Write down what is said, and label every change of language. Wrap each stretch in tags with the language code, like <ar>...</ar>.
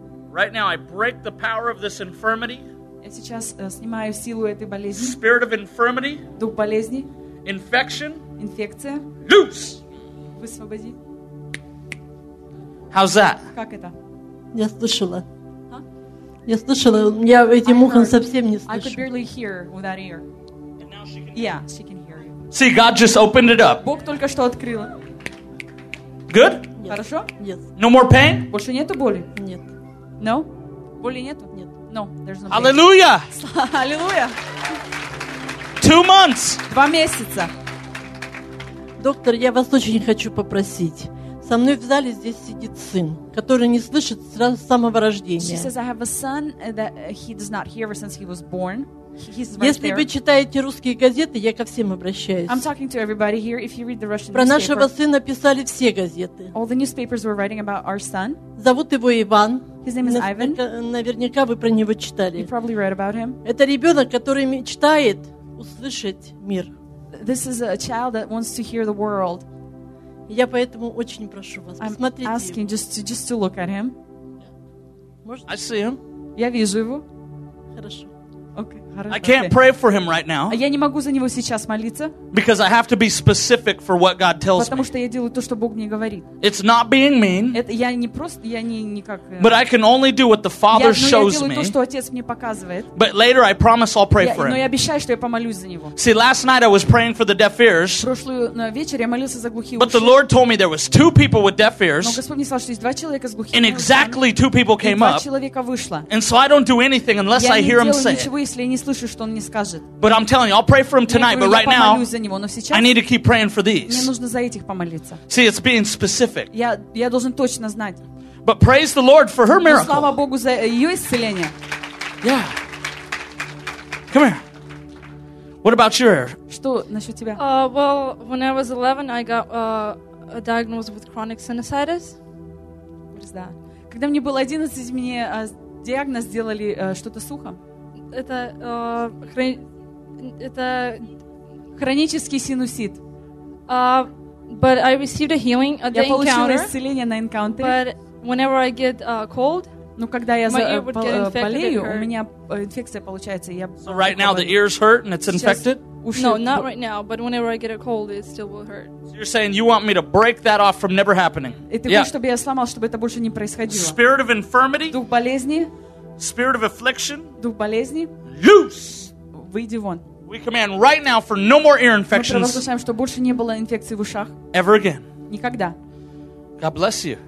<en>Right now I break the power of this infirmity.</en> <ru>Я сейчас снимаю силу этой болезни.</ru> <en>Spirit of infirmity.</en> <ru>Дух болезни.</ru> <en>Infection.</en> <ru>Инфекция.</ru> <en>Loose.</en> <ru>Высвободи.</ru> <en>How's that?</en> <ru>Как это? Я слышала. Я слышала, я этим ухом совсем не слышу.</ru> <en>I could barely hear with that ear. And now she can hear. Yeah, she can hear you. See, God just opened it up.</en> <ru>Бог только что открыла.</ru> <en>Good? Yes. Хорошо? Yes. No more pain?</en> <ru>Больше нету боли? Нет. No? Боли нету? Нет.</ru> <en>No, there's no pain. Hallelujah! Hallelujah! 2 months!</en> <ru>2 месяца. Доктор, я вас очень хочу попросить. Со мной в зале здесь сидит сын, который не слышит сразу с самого рождения.</ru> <en>She says, I have a son that he does not hear ever since he was born. Right.</en> <ru>Если вы читаете русские газеты, я ко всем обращаюсь.</ru> <en>I'm talking to everybody here. If you read the Russian</en> <ru>Про нашего сына писали все газеты.</ru> <en>All the newspapers were writing about our son.</en> <ru>Зовут его Иван.</ru> <en>His name is Ivan.</en> <ru>Наверняка вы про него читали.</ru> <en>You probably read about him.</en> <ru>Это ребенок, который мечтает услышать мир.</ru> <en>This is a child that wants to hear the world.</en> <ru>Я поэтому очень прошу вас, посмотрите.</ru> <en>I'm asking just to look at him. I see him.</en> <ru>Я вижу его. Хорошо.</ru> <en>I can't pray for him right now.</en> <ru>Я не могу за него сейчас молиться.</ru> <en>Because I have to be specific for what God tells me.</en> <ru>Потому что я делаю то, что Бог мне говорит.</ru> <en>It's not being mean.</en> <ru>Это я не просто, я не никак.</ru> <en>But I can only do what the Father shows me.</en> <ru>Я делаю то, что отец мне показывает.</ru> <en>But later I promise I'll pray for him.</en> <ru>Но я обещаю, что я помолюсь за него.</ru> <en>See, last night I was praying for the deaf ears.</en> <ru>Прошлую вечер я молился за глухие уши.</ru> <en>But the Lord told me there was two people with deaf ears.</en> <ru>Но Господь мне сказал, что есть два человека с глухими</ru> <en>ушами. And exactly two people came up.</en> <ru>Два человека вышло.</ru> <en>And so I don't do anything unless I hear him say.</en> <ru>Я не делаю ничего, если не слышу, что он мне скажет.</ru> <en>But I'm telling you, I'll pray for him tonight,</en> <ru>говорю,</ru> <en>but right now</en> <ru>него,</ru> <en>I need to keep praying for these.</en> <ru>Мне нужно за этих помолиться.</ru> <en>See, it's being specific.</en> <ru>Я должен точно знать.</ru> <en>But praise the Lord for her miracle.</en> <ru>Слава Богу за ее исцеление.</ru> <en>Yeah. Come here. What about your ear?</en> <ru>Что насчет тебя?</ru> <en>Well, when I was 11, I got diagnosed with chronic sinusitis. What is that?</en> <ru>Когда мне было 11, мне диагноз сделали что-то с ухом. Это хронический синусит.</ru> <en>But I received a healing at the encounter.</en> <ru>Я получила исцеление на encounter.</ru> <en>But whenever I get cold,</en> <ru>ну когда я болею, у меня инфекция получается. Я</ru> <en>So right now the ears hurt and it's infected? No, not right now, but whenever I get a cold, it still will hurt. So you're saying you want me to break that off from never happening?</en> <ru>Это чтобы я сломал, чтобы это больше не происходило.</ru> <en>Spirit of infirmity?</en> <ru>Дух болезни?</ru> <en>Spirit of affliction,</en> <ru>дух болезни,</ru> <en>loose.</en> <ru>Выйди вон.</ru> <en>We command right now for no more ear infections.</en> <ru>Мы провозглашаем, что больше не было инфекций в ушах.</ru> <en>Ever again.</en> <ru>Никогда.</ru> <en>God bless you.</en>